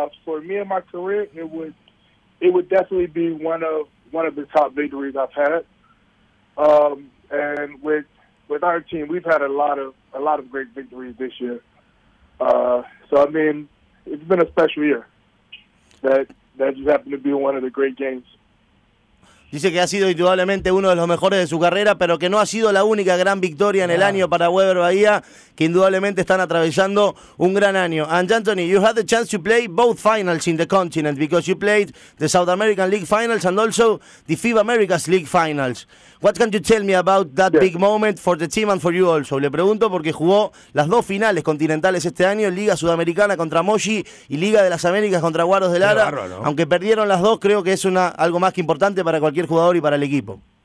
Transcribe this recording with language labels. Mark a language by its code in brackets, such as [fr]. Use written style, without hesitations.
[en] For me and my career, it would definitely be one of the top victories I've had. And with our team, we've had a lot of great victories this year. It's been a special year. That just happened to be one of the great games. [es] Dice que ha sido indudablemente uno de los mejores de su carrera, pero que no ha sido la única gran victoria en el año para Weber Bahía, que indudablemente están atravesando un gran año. [en] And Anthony, you had the chance to play both finals in the continent because you played the South American League Finals and also the FIBA Americas League Finals. What can you tell me about that big moment for the team and for you also? [es] Le pregunto porque jugó las dos finales continentales este año, Liga Sudamericana contra Moshi y Liga de las Américas contra Guaros de Lara. Barro, ¿no? Aunque perdieron las dos, creo que es algo más que importante para cualquier jugador y para el equipo.